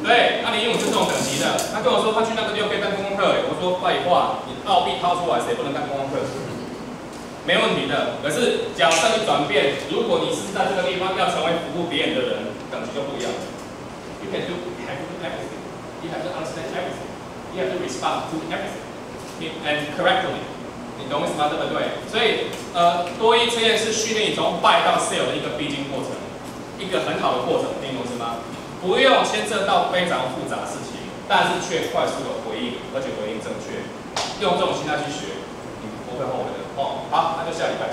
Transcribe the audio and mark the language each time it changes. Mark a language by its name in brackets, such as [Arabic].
[Chinese] 对，那你英文是这种等级的。他跟我说他去那个地方可以当观光客，我说废话，你澳币掏出来谁不能当观光客？没问题的，可是角色一转变，如果你是在这个地方要成为服务别人的人，等级就不一样了。 [English] You can do everything. You have to understand everything. You have to respond to everything and correctly. [Chinese] 你懂我意思吗？对不对？所以，多益测验是训练你从 buy 到 sell 的一个必经过程，一个很好的过程，听懂是吗？不用牵涉到非常复杂的事情，但是却快速的回应，而且回应正确，用这种心态去学，你不会后悔的。哦，好，那就下。